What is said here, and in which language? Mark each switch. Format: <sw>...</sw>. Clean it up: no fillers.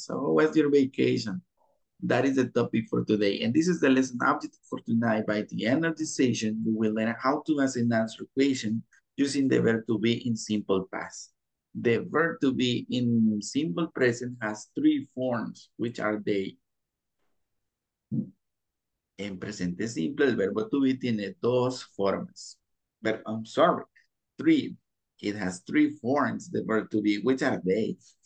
<en>So what's your vacation? That is the topic for today. And this is the lesson object for tonight. By the end of the session, you will learn how to ask and answer question using the verb to be in simple past. The verb to be in simple present has three forms, which are they.</en> <es>En presente simple, el verbo to be tiene dos formas.</es> <en>But I'm sorry, three. It has three forms, the verb to be, which are they?</en>